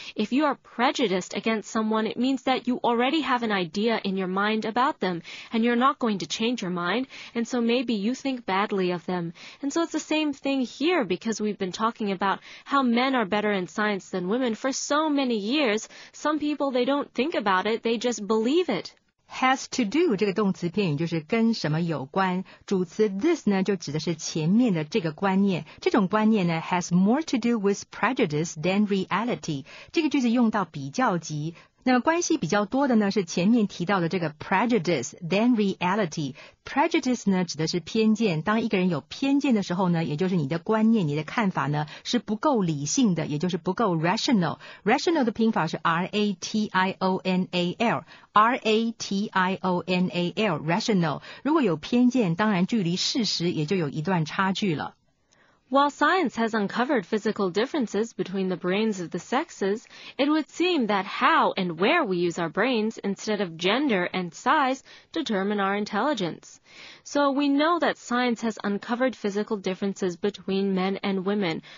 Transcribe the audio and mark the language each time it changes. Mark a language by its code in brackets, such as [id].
[en] If you are prejudiced against someone, it means that you already have an idea in your mind about them, and you're not going to change your mind, and so maybe you think badly of them. And so it's the same thing here, because we've been talking about how men are better in science than women for so many years, some people, they don't think about it, they just believe it. Has to do [zh] 这个动词片语就是跟什么有关，主词 this 呢就指的是前面的这个观念。这种观念呢 [en] has more to do with prejudice than reality。 [zh] 这个句子用到比较级，那么关系比较多的呢是前面提到的这个 [en] prejudice than reality。 [zh] Prejudice 呢指的是偏见，当一个人有偏见的时候呢，也就是你的观念、你的看法呢是不够理性的，也就是不够 rational。 Rational 的拼法是 rational。 [en] R-A-T-I-O-N-A-L, rational. [zh] 如果有偏见，当然距离事实也就有一段差距了。 [en] While science has uncovered physical differences between the brains of the sexes, it would seem that how and where we use our brains instead of gender and size determine our intelligence. So we know that science has uncovered physical differences between men and women.